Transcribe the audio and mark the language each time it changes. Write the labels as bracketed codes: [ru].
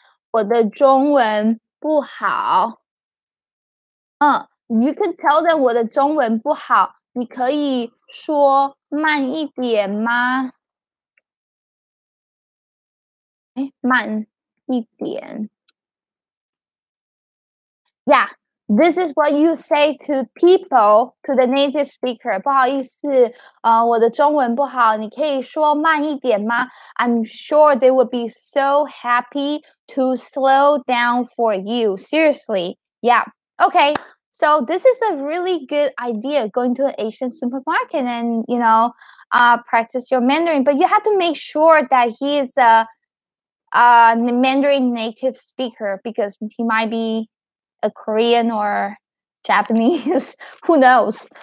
[zh] 我的中文不好。 [en] You can tell them [zh] 我的中文不好，你可以说慢一点吗？慢一点。 [en] Yeah, this is what you say to people, to the native speaker. [zh] 不好意思，我的中文不好，你可以说慢一点吗？ [en] I'm sure they would be so happy to slow down for you. Seriously, yeah. Okay. So this is a really good idea, going to an Asian supermarket and, you know, practice your Mandarin. But you have to make sure that he is a Mandarin native speaker because he might be a Korean or Japanese. Who knows?